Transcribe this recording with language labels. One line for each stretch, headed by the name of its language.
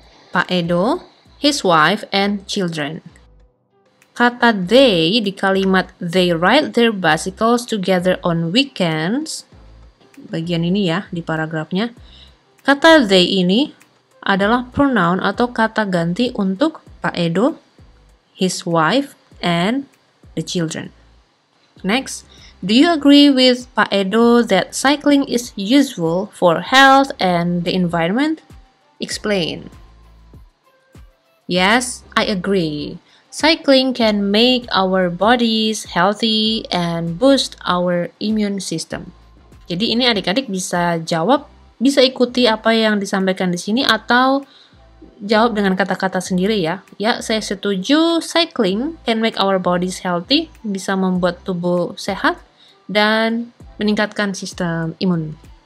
English: Pak Edo, his wife, and children.
Indonesian: Kata they di kalimat
English: they ride their bicycles together on weekends.
Indonesian: Bagian ini ya, di paragrafnya. Kata they ini adalah pronoun atau kata ganti untuk Pak Edo,
English: his wife, and the children. Next, do you agree with Pak Edo that cycling is useful for health and the environment? Explain. Yes, I agree. Cycling can make our bodies healthy and boost our immune system.
Indonesian: Jadi ini adik-adik bisa jawab, bisa ikuti apa yang disampaikan di sini atau jawab dengan kata-kata sendiri ya. Ya, saya setuju,
English: cycling can make our bodies healthy,
Indonesian: bisa membuat tubuh sehat dan meningkatkan sistem imun.